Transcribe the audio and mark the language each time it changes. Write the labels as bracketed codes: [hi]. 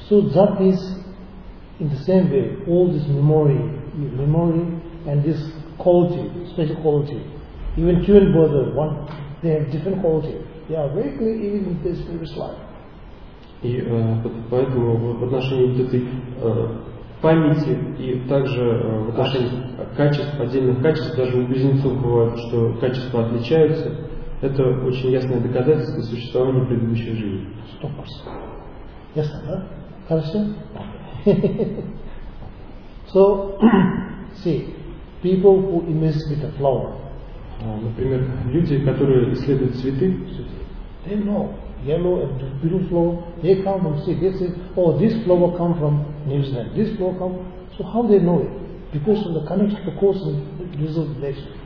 [en] So that is in the same way, all this memory and this quality, special quality. Even two and brother, one, they have different quality. They are very clear even in this previous life. [ru] И поэтому в отношении вот этой памяти и также в отношении качеств, отдельных качеств, даже у близнецов бывает, что качества отличаются, это очень ясное доказательство существования предыдущей жизни. 100%. Ясно, да? Хорошо? [en] So, see, people who investigate a flower. [ru] Например, люди, которые исследуют цветы, [en] they know yellow and blue flower, they come and say, they say, oh, this flower comes from New Zealand, this flower comes. So how they know it? Because of the connection, of course, the result blessing.